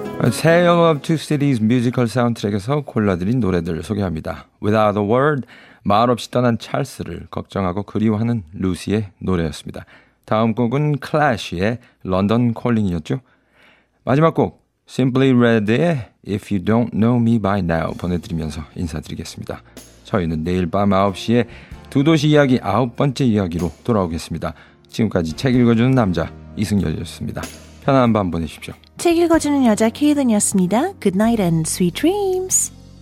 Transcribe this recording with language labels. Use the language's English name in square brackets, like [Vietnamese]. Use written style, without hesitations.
[Korean] 새 영화 Two Cities 뮤지컬 사운드트랙에서 골라드린 노래들을 소개합니다. Without a Word, 말 없이 떠난 찰스를 걱정하고 그리워하는 루시의 노래였습니다. 다음 곡은 클래쉬의 런던 콜링이었죠. 마지막 곡, Simply Red의 If You Don't Know Me By Now 보내드리면서 인사드리겠습니다. 저희는 내일 밤 9시에 두 도시 이야기 9번째 이야기로 돌아오겠습니다. 지금까지 책 읽어주는 남자 이승열이었습니다. 편안한 밤 보내십시오. 책 읽어주는 여자 케이든이었습니다. [English] Good night and sweet dreams.